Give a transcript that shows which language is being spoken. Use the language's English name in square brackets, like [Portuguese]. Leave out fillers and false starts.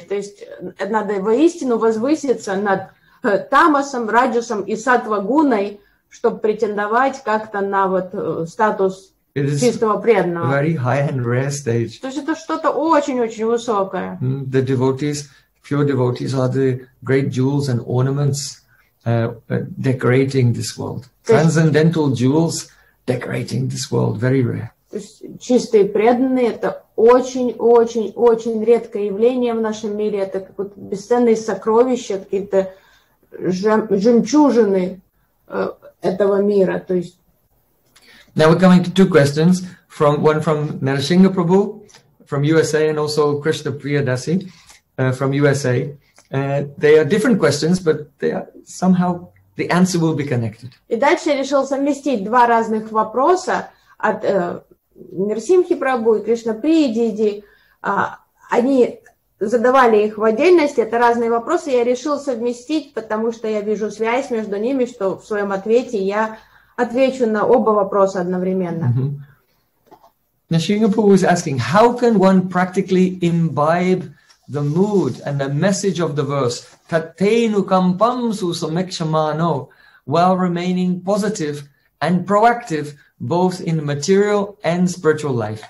[Russian] То есть надо воистину возвыситься над тамасом, раджасом и сатвагуной, чтобы претендовать как-то на вот статус чистого преданного. [English] Very high and rare stage. [Russian] То есть это что-то очень-очень высокое. [English] The devotees, pure devotees are the great jewels and ornaments decorating this world. Transcendental jewels decorating this world, very rare. [Russian] То есть чистые преданные — это очень-очень-очень редкое явление в нашем мире. Это как вот бесценные сокровища, какие-то жемчужины этого мира. То есть... [English] Now we're coming to two questions, from one from Narasimha Prabhu from USA and also Krishna Priyadasi from USA. They are different questions, but they are somehow the answer will be connected. [Russian] И дальше я решил совместить два разных вопроса от Нарасимхи Прабху и Кришна Приди. Они задавали их в отдельности, это разные вопросы, я решил совместить, потому что я вижу связь между ними, что в своем ответе я отвечу на оба вопроса одновременно. [English] Нарасимха Прабху was asking, how can one practically imbibe the mood and the message of the verse, [Sanskrit] tatenu kampam su samekshamano, [English] while remaining positive and proactive both in material and spiritual life?